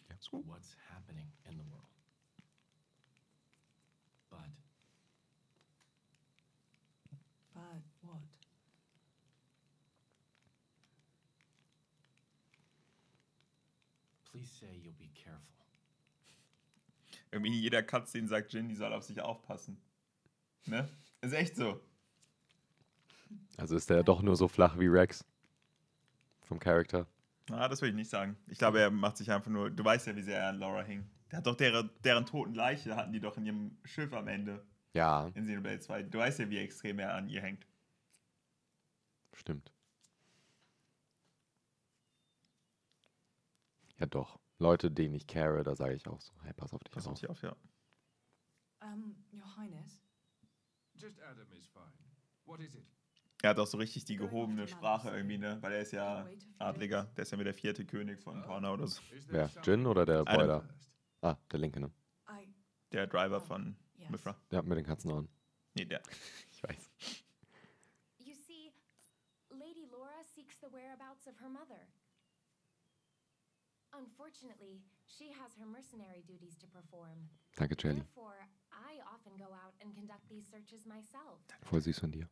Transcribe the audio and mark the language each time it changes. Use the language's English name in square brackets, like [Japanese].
[English] What's happening in the world? But what? Please say you'll be careful. [German] Irgendwie jeder Cutscene sagt Jin, die soll auf sich aufpassen. Ne? Ist echt so. Also ist er doch nur so flach wie Rex vom Charakter. Na, das will ich nicht sagen. Ich glaube, er macht sich einfach nur, du weißt ja, wie sehr er an Laura hing. Der hat doch deren toten Leiche, hatten die doch in ihrem Schiff am Ende. Ja. In Xenoblade 2. Du weißt ja, wie extrem er an ihr hängt. Stimmt. Ja doch, Leute, denen ich care, da sage ich auch so, hey, pass auf dich auf, ja. [English] Your Highness? Just Adam is fine. What is it? [German] Er hat auch so richtig die gehobene Sprache irgendwie, ne? Weil er ist ja Adliger. Der ist ja wieder der vierte König von Pornau oder so. Ja, Jin oder der Boiler? Ah, der Linke, ne? Der Driver von Mithra. Der hat mit den Katzen an. Nee, der. Ich weiß. [English] You see, Lady Laura seeks the whereabouts of her mother. Unfortunately, she has her mercenary duties to perform. [German] Danke, Jenny. [English] Therefore, I often go out and conduct these searches myself. [German] Voll süß von dir.